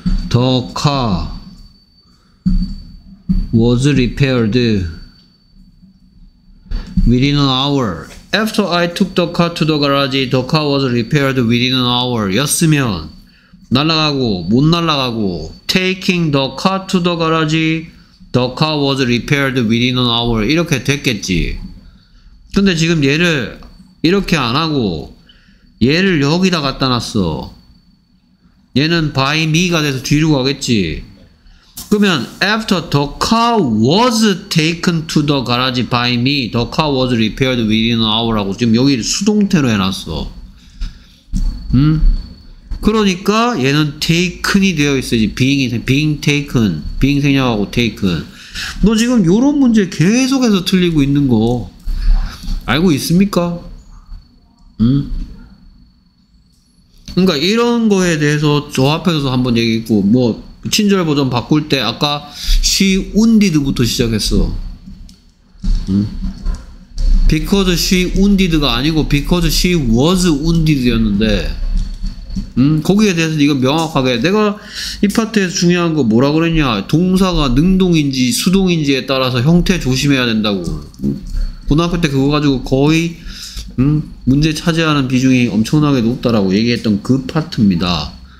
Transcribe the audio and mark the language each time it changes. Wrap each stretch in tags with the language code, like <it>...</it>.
<en>The car was repaired within an hour. After I took the car to the garage, the car was repaired within an hour.</en> <ko>였으면 날아가고 못 날아가고</ko> <en>taking the car to the garage, the car was repaired within an hour.</en> <ko>이렇게 됐겠지. 근데 지금 얘를 이렇게 안 하고 얘를 여기다 갖다 놨어. 얘는</ko> <en>by me가</en> <ko>돼서 뒤로 가겠지. 그러면</ko> <en>after the car was taken to the garage by me, the car was repaired within an hour</en> <ko>라고 지금 여기 수동태로 해놨어. 음? 그러니까 얘는 taken이 되어 있어야지. being이,</ko> <en>being taken,</en> <ko>being 생략하고 taken. 너 지금 이런 문제 계속해서 틀리고 있는 거 알고 있습니까? 음? 그러니까 이런 거에 대해서 저 앞에서도 한번 얘기했고, 뭐 친절 버전 바꿀 때 아까</ko> <en>she wounded</en> <ko>부터 시작했어. 응?</ko> <en>Because she wounded</en> <ko>가 아니고</ko> <en>because she was wounded</en> <ko>였는데, 응? 거기에 대해서 이거 명확하게 내가 이 파트에서 중요한 거 뭐라 그랬냐, 동사가 능동인지 수동인지에 따라서 형태 조심해야 된다고. 응? 고등학교 때 그거 가지고 거의 응? 문제 차지하는 비중이 엄청나게 높다라고 얘기했던 그 파트입니다.</ko>